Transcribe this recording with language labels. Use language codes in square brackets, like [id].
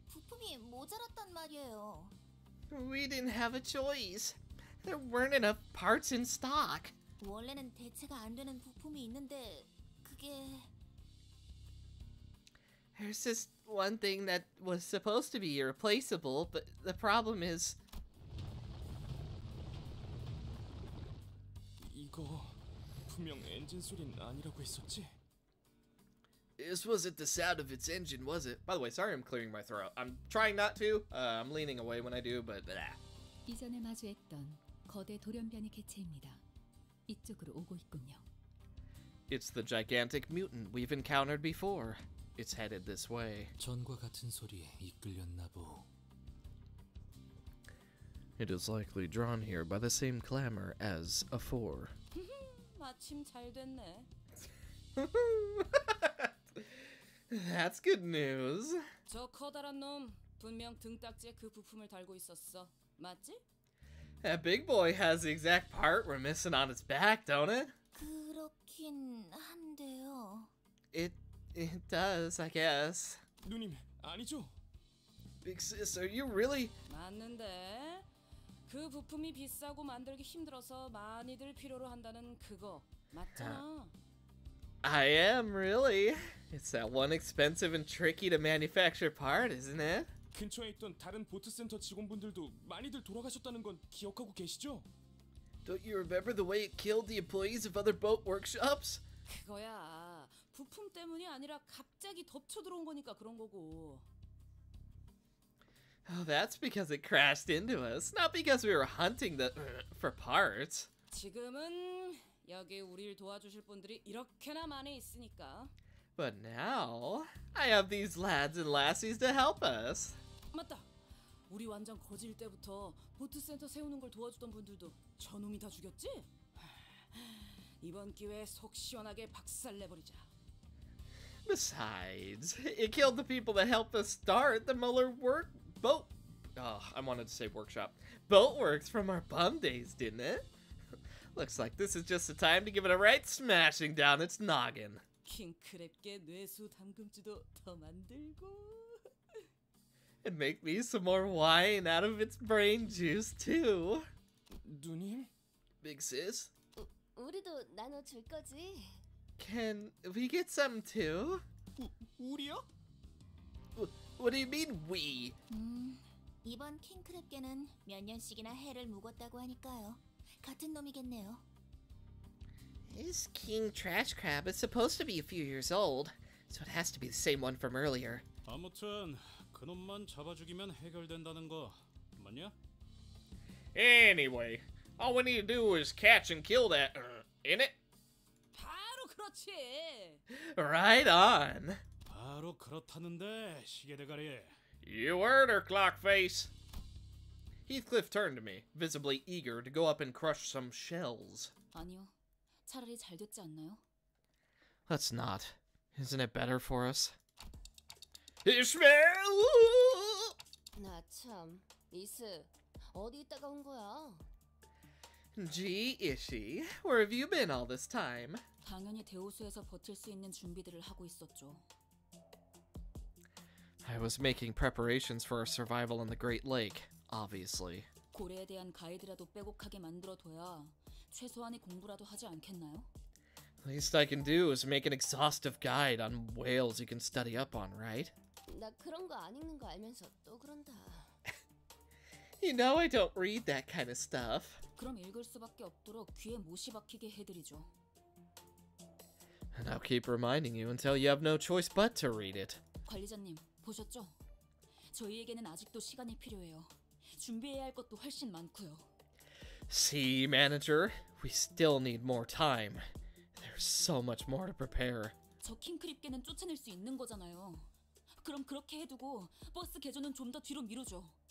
[ko] 부품이 모자랐단 말이에요. [en] We didn't have a choice. There weren't enough parts in stock. [ko] 원래는 대체가 안 되는 부품이 있는데 그게... [en] There's this one thing that was supposed to be irreplaceable, but the problem is... [ko] 이거... 분명 엔진 소리는 아니라고 했었지? [en] This wasn't the sound of its engine, was it? By the way, sorry I'm clearing my throat. I'm trying not to. I'm leaning away when I do, but blah. [ko] 이전에 마주했던 거대 돌연변이 개체입니다. 이쪽으로 오고 있군요. [en] It's the gigantic mutant we've encountered before. It's headed this way. [ko] 전과 같은 소리에 이끌렸나 보. [en] It is likely drawn here by the same clamor as afore. [ko] 마침 잘 됐네. [en] That's good news. [ko] 저 커다란 놈 분명 등딱지에 그 부품을 달고 있었어. 맞지? [en] That big boy has the exact part we're missing on its back, don't it? [ko] 그렇긴 한데요. [en] It does, I guess. [ko] 누님, 아니죠? [en] Big sis, are you really? [ko] 맞는데. 그 부품이 비싸고 만들기 힘들어서 많이들 필요로 한다는 그거. 맞잖아. [en] I am, really. It's that one expensive and tricky to manufacture part, isn't it? [ko] 근처에 있던 다른 보트 센터 직원분들도 많이들 돌아가셨다는 건 기억하고 계시죠? [en] Don't you remember the way it killed the employees of other boat workshops? [ko] 그거야. 부품 때문이 아니라 갑자기 덮쳐 들어온 거니까 그런 거고. [en] Oh, that's because it crashed into us, not because we were hunting the for parts. [ko] 지금은 여기 우리를 도와주실 분들이 이렇게나 많이 있으니까. [en] But now, I have these lads and lassies to help us. [ko] 맞다. 우리 완전 거지일 때부터 보트 센터 세우는 걸 도와주던 분들도 저놈이 다 죽였지? 이번 기회에 속 시원하게 박살 내버리자. [en] Besides, it killed the people that helped us start the Muller work boat. Oh, I wanted to say workshop. Boat works from our bum days, didn't it? Looks like this is just the time to give it a right smashing down its noggin. [ko] 킹크랩께 뇌수 담금주도 더 만들고 [en] and make me some more wine out of its brain juice too. [ko] 누님? [en] Big sis? [ko] 우리도 나눠줄 거지? [en] Can we get some too? [ko] 우리요? [en] What do you mean we? [ko] 이번 킹크랩께는 몇 년씩이나 해를 묵었다고 하니까요. 같은 놈이겠네요. [en] This king trash crab is supposed to be a few years old, so it has to be the same one from earlier. [ko] 아무튼 그놈만 잡아 죽이면 해결된다는 거 맞냐? [en] Anyway, all we need to do is catch and kill that, isn't it? [ko] 바로 그렇지. [en] Right on. [ko] 바로 그렇다는데 시계 대가리. [en] You heard her, clockface. Heathcliff turned to me, visibly eager to go up and crush some shells. [ko] 아니요. 차라리 잘 됐지 않나요? [en] Let's not. Isn't it better for us? Ishmael! [ko] 나 참, 이스, 어디 있다가 온 거야? [en] Gee, Ishi, where have you been all this time? [ko] 당연히 대우수에서 버틸 수 있는 준비들을 하고 있었죠. [en] I was making preparations for our survival in the Great Lake, obviously. [ko] 고래에 대한 가이드라도 빼곡하게 만들어둬야 최소한의 공부라도 하지 않겠나요? [en] Least I can do is make an exhaustive guide on whales you can study up on, right? [ko] 나 그런 거 안 읽는 거 알면서 또 그런다. [en] You know I don't read that kind of stuff. [ko] 그럼 읽을 수밖에 없도록 귀에 못이 박히게 해드리죠. [en] And I'll keep reminding you until you have no choice but to read it. [ko] 관리자님, 보셨죠? 저희에게는 아직도 시간이 필요해요. 준비해야 할 것도 훨씬 많고요. [en] See, manager, we still need more time. There's so much more to prepare. [ko] 저 킹크립께는 쫓아낼 수 있는 거잖아요. 그럼 그렇게 해두고 버스 개조는 좀 더 뒤로 미루죠.